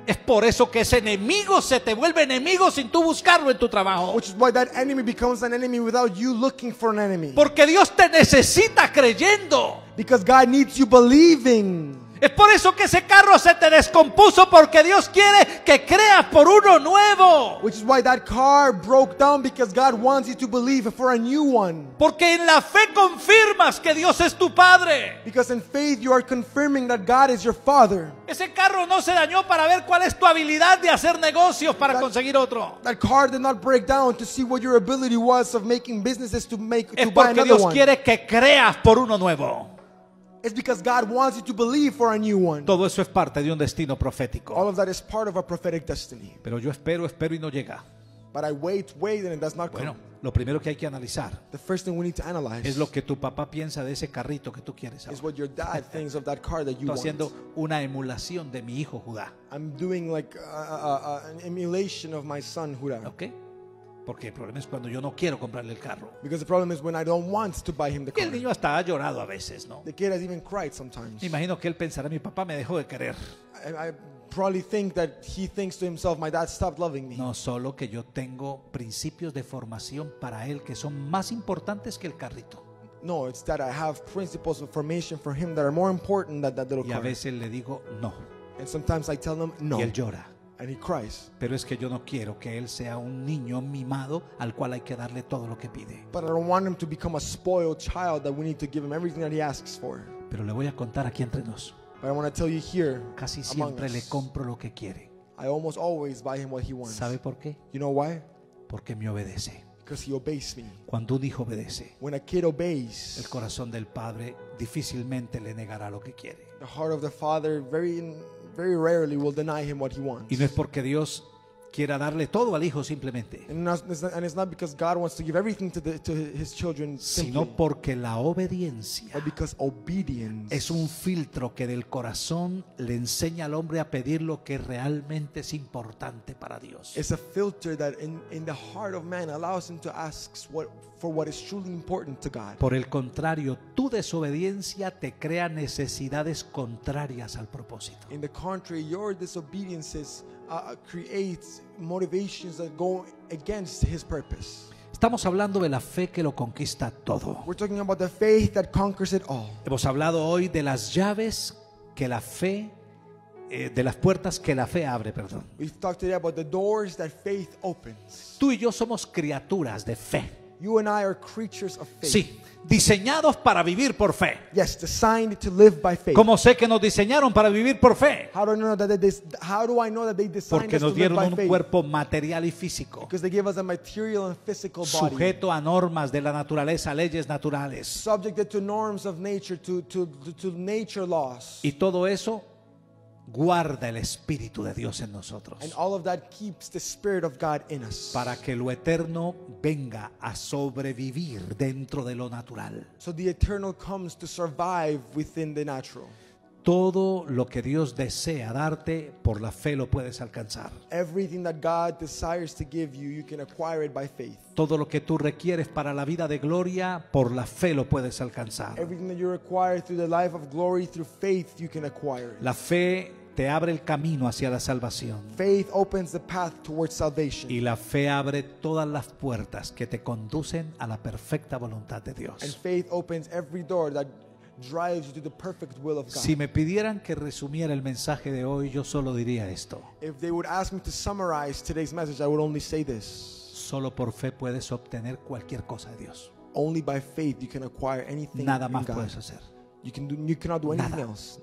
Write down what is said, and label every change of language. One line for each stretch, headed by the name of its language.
Spanish: Es por eso que ese enemigo se te vuelve enemigo sin tú buscarlo en tu trabajo.
English: Which is why that enemy becomes an enemy without you looking for an enemy.
Spanish: Porque Dios te necesita creyendo.
English: Because God needs you believing.
Spanish: Es por eso que ese carro se te descompuso, porque Dios quiere que creas por uno nuevo.
English: Which is why that car broke down, because God wants you to believe for a new one.
Spanish: Porque en la fe confirmas que Dios es tu padre.
English: Because in faith you are confirming that God is your father.
Spanish: Ese carro no se dañó para ver cuál es tu habilidad de hacer negocios para conseguir otro.
English: That car did not break down to see what your ability was of making businesses to make
Spanish: es
English: to buy another
Spanish: Dios
English: one.
Spanish: Quiere que creas por uno nuevo.
English: It's because God wants you to believe for a new one.
Spanish: Todo eso es parte de un destino profético.
English: All of that is part of a prophetic destiny.
Spanish: Pero yo espero y no llega.
English: But I wait and it does not
Spanish: bueno,
English: come.
Spanish: Lo primero que hay que analizar.
English: The first thing we need to analyze.
Spanish: Es lo que tu papá piensa de ese carrito que tú quieres.
English: Is what your dad thinks of that car that you want.
Spanish: Haciendo una emulación de mi hijo Judá.
English: I'm doing like an emulation of my son Judá. Okay.
Spanish: Porque el problema es cuando yo no quiero comprarle el carro.
English: Because the problem is when I don't want to buy him the car.
Spanish: El niño hasta ha llorado a veces, ¿no?
English: The kid has even cried sometimes.
Spanish: Me imagino que él pensará, mi papá me dejó de querer.
English: I probably think that he thinks to himself, my dad stopped loving me.
Spanish: No solo que yo tengo principios de formación para él que son más importantes que el carrito.
English: No, it's that I have principles of formation for him that are more important than that little car.
Spanish: Y a veces le digo no.
English: And sometimes I tell him no.
Spanish: Y él llora.
English: And he cries.
Spanish: Pero es que yo no quiero que él sea un niño mimado al cual hay que darle todo lo que pide.
English: But I don't want him to become a spoiled child that we need to give him everything that he asks for.
Spanish: Pero le voy a contar aquí entre nos.
English: But I want to tell you here.
Spanish: Casi siempre le compro lo que quiere.
English: I almost always buy him what he wants.
Spanish: ¿Sabe por qué?
English: You know why?
Spanish: Porque me obedece.
English: Because he obeys me.
Spanish: Cuando un hijo obedece,
English: when a kid obeys,
Spanish: el corazón del padre difícilmente le negará lo que quiere.
English: The heart of the father very rarely will deny him what he wants.
Spanish: Y no es porque Dios quiera darle todo al hijo simplemente.
English: And it's not because God wants to give everything to his children simply,
Spanish: sino porque la obediencia,
English: but because obedience,
Spanish: es un filtro que del corazón le enseña al hombre a pedir lo que realmente es importante para Dios.
English: It's a filter that in the heart of man allows him to ask what is truly important to God.
Spanish: Por el contrario, tu desobediencia te crea necesidades contrarias al propósito.
English: In the contrary, your disobedience creates motivations that go against his purpose.
Spanish: Estamos hablando de la fe que lo conquista todo.
English: We're talking about the faith that conquers it all.
Spanish: Hemos hablado hoy de las llaves que la fe de las puertas que la fe abre, perdón.
English: We've talked today about the doors that faith opens.
Spanish: Tú y yo somos criaturas de fe.
English: You and I are creatures of faith.
Spanish: Sí, diseñados para vivir por fe.
English: Yes, designed to live by faith.
Spanish: ¿Cómo sé que nos diseñaron para vivir por fe?
English: How do I know that they designed us to live by faith?
Spanish: Porque nos dieron un cuerpo material y físico.
English: Because they gave us a material and physical body.
Spanish: Sujeto a normas de la naturaleza, leyes naturales.
English: Subjected to norms of nature, to nature laws.
Spanish: Y todo eso guarda el Espíritu de Dios en nosotros.
English: And all of that keeps the Spirit of God in us.
Spanish: Para que lo eterno venga a sobrevivir dentro de lo natural.
English: So the eternal comes to survive within the natural.
Spanish: Todo lo que Dios desea darte por la fe lo puedes alcanzar.
English: Everything that God desires to give you, you can acquire it by faith.
Spanish: Todo lo que tú requieres para la vida de gloria por la fe lo puedes alcanzar.
English: Everything that you require through the life of glory through faith, you can acquire it.
Spanish: La fe te abre el camino hacia la salvación.
English: Faith opens the path towards salvation.
Spanish: Y la fe abre todas las puertas que te conducen a la perfecta voluntad de Dios.
English: And faith opens every door that drives you to the perfect will of God.
Spanish: Si me pidieran que resumiera el mensaje de hoy, yo solo diría esto.
English: If they would ask me to summarize today's message, I would only say this.
Spanish: Solo por fe puedes obtener cualquier cosa de Dios.
English: Only by faith you can acquire anything.
Spanish: Nada más puedes hacer.
English: You cannot do anything else.